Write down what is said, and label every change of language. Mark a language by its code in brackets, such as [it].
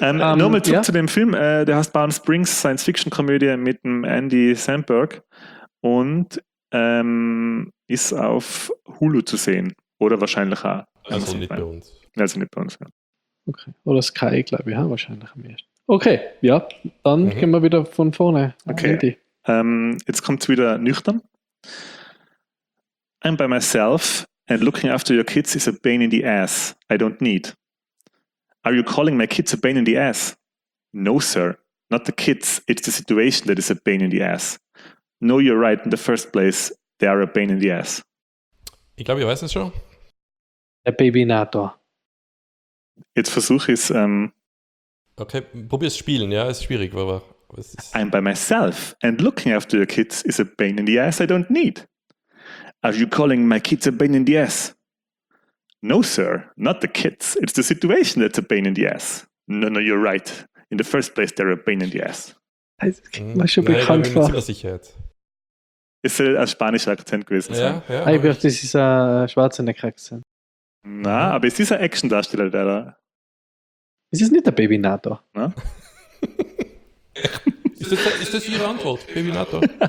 [de] Nochmal zurück zu dem Film. Der heißt Palm Springs, Science-Fiction-Komödie mit dem Andy Samberg und ist auf Hulu zu sehen. Oder wahrscheinlich auch. Also nicht bei uns. Ja. Okay. Oder Sky, glaube ich, wahrscheinlich am ehesten. Okay, ja, dann gehen wir wieder von vorne. Okay. Jetzt kommt es wieder nüchtern. [en] I'm by myself and looking after your kids is a pain in the ass. I don't need. Are you calling my kids a pain in the ass? No, sir. Not the kids. It's the situation that is a pain in the ass. No, you're right in the first place. they are a pain in the ass. [de] Ich glaube, ihr weißt es schon. Der Babynator. Jetzt versuche ich es. Okay, probier es spielen, ja, ist schwierig, aber. [en] I'm by myself, and looking after your kids is a pain in the ass I don't need. Are you calling my kids a pain in the ass? No, sir, not the kids. It's the situation that's a pain in the ass. No, no, you're right. In the first place, they're a pain in the ass. [de] Das klingt mir schon bekannt vor. Nein, ich bin mir nicht sicher. Ist ein spanischer Akzent gewesen. Ja, ja. Ich glaube, das ist ein Schwarzenegger Akzent. Na, aber ist dieser Action-Darsteller, der da? Ist es nicht der Babynator? Na? Ist das Ihre Antwort, Babynator?